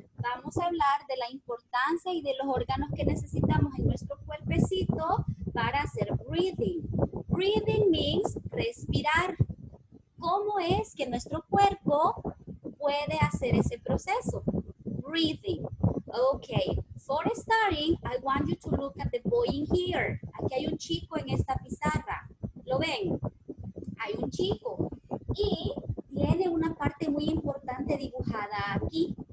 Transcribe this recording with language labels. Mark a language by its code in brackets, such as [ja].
[es] Vamos a hablar de la importancia y de los órganos que necesitamos en nuestro cuerpecito para hacer breathing. [en] Breathing means respirar. [es] ¿Cómo es que nuestro cuerpo puede hacer ese proceso? [en] Breathing. Okay. For starting, I want you to look at the boy in here. [es] Aquí hay un chico en esta pizarra. ¿Lo ven? Hay un chico. Y tiene una parte muy importante dibujada aquí.